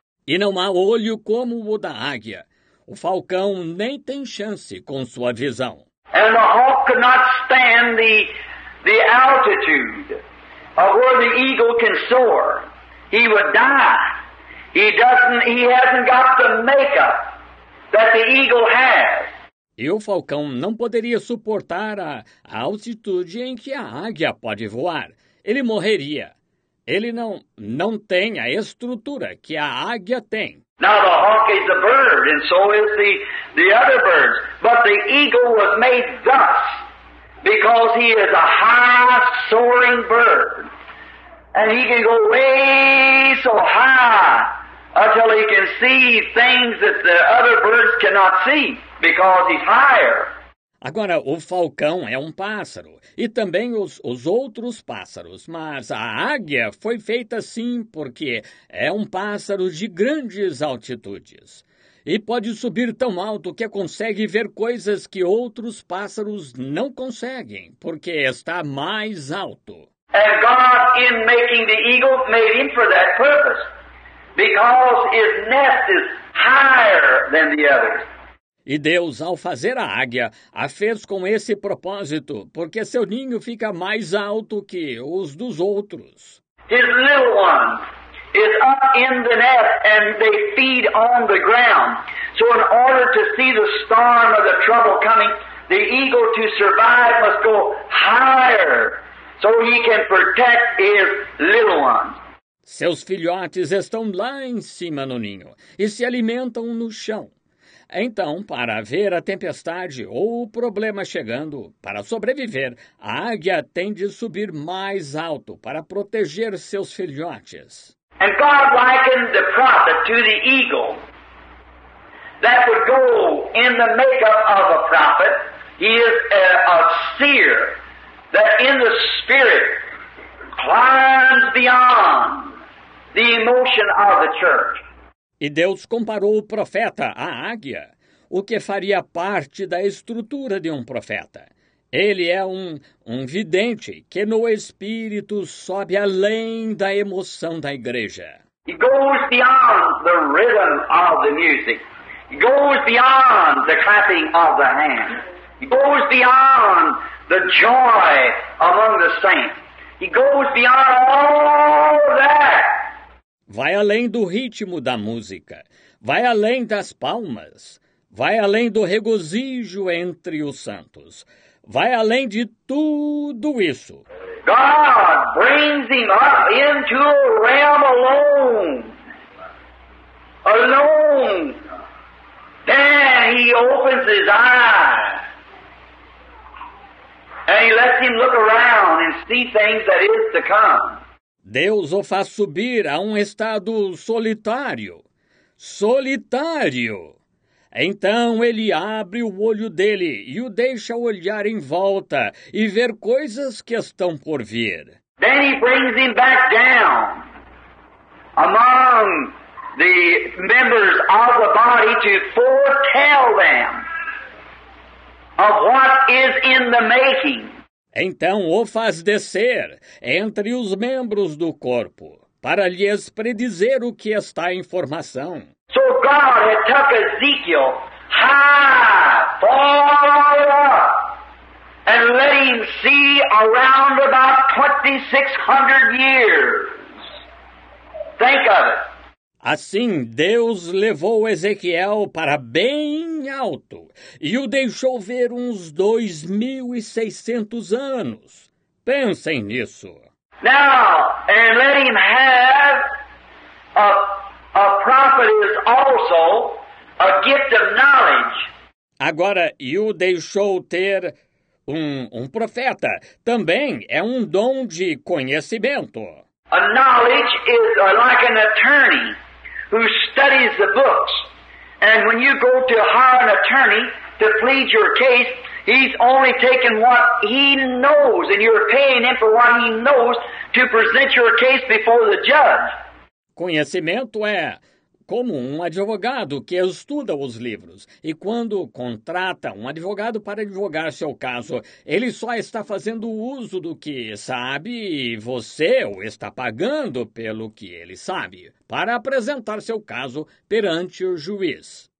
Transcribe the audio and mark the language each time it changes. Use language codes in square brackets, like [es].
[pt] E não há olho como o da águia. O falcão nem tem chance com sua visão. [en] And the hawk could not stand the altitude of where the eagle can soar. He would die. He hasn't got the makeup that the eagle has. [pt] E o falcão não poderia suportar a altitude em que a águia pode voar. Ele morreria. Ele não tem a estrutura que a águia tem. [en] Now the hawk is a bird, and so is the other birds. But the eagle was made thus, because he is a high-soaring bird. And he can go way so high until he can see things that the other birds cannot see. Because he's higher. [pt] Agora, o falcão é um pássaro, e também os outros pássaros, mas a águia foi feita assim porque é um pássaro de grandes altitudes. e pode subir tão alto que consegue ver coisas que outros pássaros não conseguem, porque está mais alto. [en] And God, in making the eagle, made him for that purpose, because his nest is higher than the others. [pt] E Deus, ao fazer a águia, a fez com esse propósito, porque seu ninho fica mais alto que os dos outros. [en] His little one is up in the nest and they feed on the ground. So in order to see the storm or the trouble coming, the eagle to survive must go higher so he can protect his little one. [pt] Seus filhotes estão lá em cima no ninho e se alimentam no chão. Então, para ver a tempestade ou o problema chegando, para sobreviver, a águia tem de subir mais alto para proteger seus filhotes. [en] And God likened the prophet to the eagle that would go in the makeup of a prophet. He is a seer that in the spirit climbs beyond the emotion of the church. [pt] E Deus comparou o profeta à águia, o que faria parte da estrutura de um profeta. Ele é um vidente que no espírito sobe além da emoção da igreja. [en] He goes beyond the rhythm of the music. He goes beyond the clapping of the hands. He goes beyond the joy among the saints. He goes beyond all that. [pt] Vai além do ritmo da música, vai além das palmas, vai além do regozijo entre os santos, vai além de tudo isso. [en] God brings him up into a realm alone. Alone. Then he opens his eyes. And he lets him look around and see things that is to come. [pt] Deus o faz subir a um estado solitário. Solitário! Então ele abre o olho dele e o deixa olhar em volta e ver coisas que estão por vir. [en] Then he brings him back down among the members of the body to foretell them of what is in the making. [pt] Então o faz descer entre os membros do corpo para lhes predizer o que está em formação. [en] So God had took Ezekiel high, far up, and let him see around about 2600 years. Think of it. [pt] Assim, Deus levou Ezequiel para bem alto e o deixou ver uns 2600 anos. Pensem nisso. [en] Now, and let him have a prophet is also a gift of knowledge. [pt] Agora, e o deixou ter um profeta. Também é um dom de conhecimento. [en] A knowledge is like an attorney who studies the books. And when you go to hire an attorney to plead your case, he's only taking what he knows, and you're paying him for what he knows to present your case before the judge. [pt] Conhecimento é como um advogado que estuda os livros. E quando contrata um advogado para advogar seu caso, ele só está fazendo uso do que sabe e você o está pagando pelo que ele sabe para apresentar seu caso perante o juiz.